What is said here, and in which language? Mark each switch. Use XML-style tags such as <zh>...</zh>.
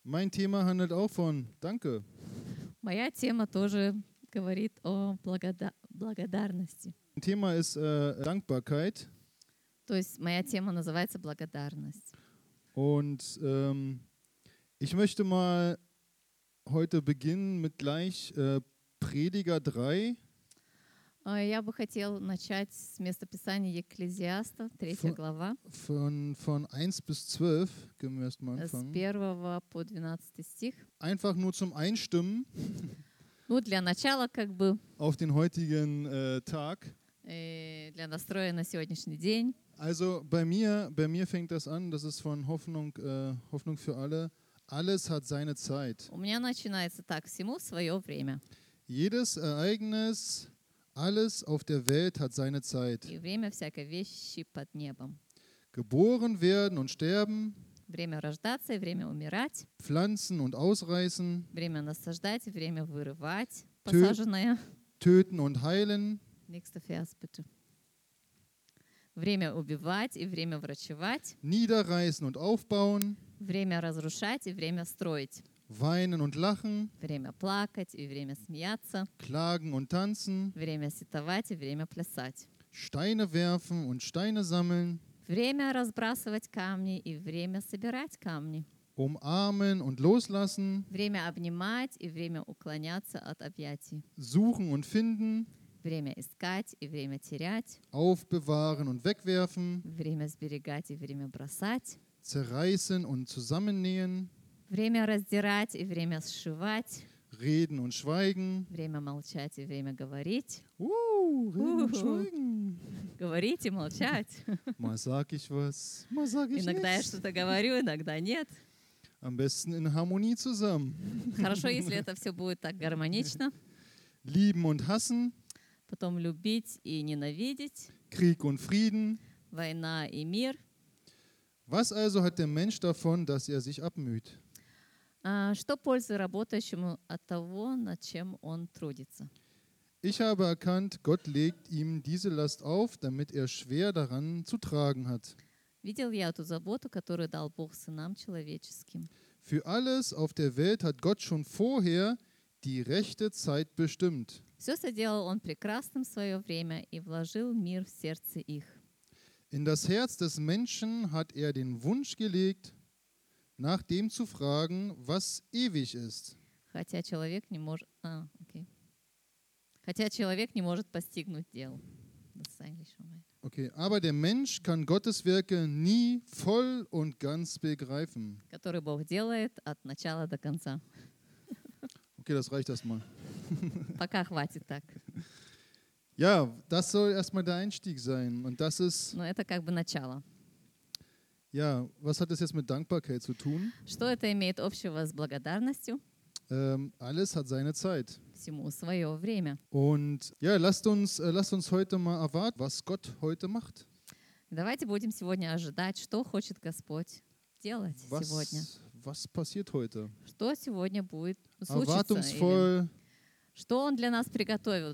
<de>Тема handelt auch von Danke.</de> <ru>Моя тема тоже говорит о благодарности.</ru> <de>Тема ist Dankbarkeit.</de> <ru>То есть моя тема называется благодарность.</ru> <de>Und ich möchte mal heute beginnen mit gleich Prediger 3.</de> <ru>Я бы хотел начать с места Писания Екклезиаста, 3 глава.</ru> <de>Von 1 bis 12 können wir erst mal anfangen.</de> <ru>С 1 по 12 стих.</ru> <de>Einfach nur zum Einstimmen.</de> <ru>Ну, для начала как бы.</ru> <de>Auf den heutigen Tag.</de> <ru>Для настроя на сегодняшний день.</ru> <de>Also bei mir fängt das an, das ist von Hoffnung für alle. Alles hat seine Zeit.</de> <ru>У меня начинается так, всему свое время.</ru> <de>Jedes Ereignis... Alles auf der Welt hat seine Zeit.</de> <ru>И время всякой вещи под небом.</ru> <de>Geboren werden und sterben.</de> <ru>Время рождаться и время умирать.</ru> <de>Pflanzen und ausreißen.</de> <ru>Время насаждать и время вырывать. Посаженное.</ru> <de>Töten und heilen. Nächster Vers, bitte.</de> <ru>Время убивать и время врачевать.</ru> <de>Niederreißen und aufbauen.</de> <ru>Время разрушать и время строить.</ru> <de>Weinen und lachen.</de> <ru>Время плакать и время смеяться.</ru> <de>Klagen und tanzen.</de> <ru>Время сетовать и время плясать.</ru> <de>Steine werfen und Steine sammeln.</de> <ru>Время разбрасывать камни и время собирать камни.</ru> <de>Umarmen und loslassen.</de> <ru>Время обнимать и время уклоняться от объятий.</ru> <de>Suchen und finden.</de> <ru>Время искать и время терять.</ru> <de>Aufbewahren und wegwerfen.</de> <ru>Время сберегать и время бросать.</ru> <de>Zerreißen und zusammennähen.</de> <ru>Время раздирать и время сшивать.</ru> <de>Reden und schweigen.</de> <ru>Время молчать и время говорить.</ru> <de>Reden und schweigen.</de> <ru>Говорить и молчать.</ru> <de>Mal sag ich was, mal sag ich</de> <ru>иногда Я что-то говорю, иногда нет.</ru> <de>Am besten in Harmonie zusammen.</de> <ru>Хорошо, если это все будет так гармонично.</ru> <de>Lieben und hassen.</de> <ru>Потом любить и ненавидеть.</ru> <de>Krieg und Frieden.</de> <ru>Война и мир.</ru> <de>Was also hat der Mensch davon, dass er sich abmüht?</de> <ru>Что пользы работающему от того, над чем он трудится?</ru> <de>Ich habe erkannt, Gott legt ihm diese Last auf, damit er schwer daran zu tragen hat.</de> <ru>Видел я эту заботу, которую дал Бог сынам человеческим.</ru> <de>Für alles auf der Welt hat Gott schon vorher die rechte Zeit bestimmt.</de> <ru>Все соделал он прекрасным свое время и вложил мир в сердце их.</ru> <de>In das Herz des Menschen hat er den Wunsch gelegt, nach dem zu fragen, was ewig ist.</de> <ru>Хотя человек не может постигнуть дел.</ru> <de>Okay, aber der Mensch kann Gottes Werke nie voll und ganz begreifen.</de> <ru>Который Бог делает от начала до конца.</ru> <de>Okay, das reicht erstmal.</de> <ru>Пока хватит так.</ru> <de>Ja, das soll erstmal der Einstieg sein. Und das ist.</de> <ru>Но это как бы начало.</ru> <de>Ja, was hat das jetzt mit Dankbarkeit zu tun?</de> <ru>Что это имеет общего с благодарностью?</ru> <de>Alles hat seine Zeit.</de> <ru>Всему свое время.</ru> <de>Und ja, lasst uns heute mal erwarten, was Gott heute macht.</de> <ru>Давайте будем сегодня ожидать, что хочет Господь делать сегодня.</ru> <de>Was passiert heute?</de> <ru>Что сегодня будет случиться?</ru> <de>Erwartungsvoll.</de> <ru>Что он для нас приготовил?</ru>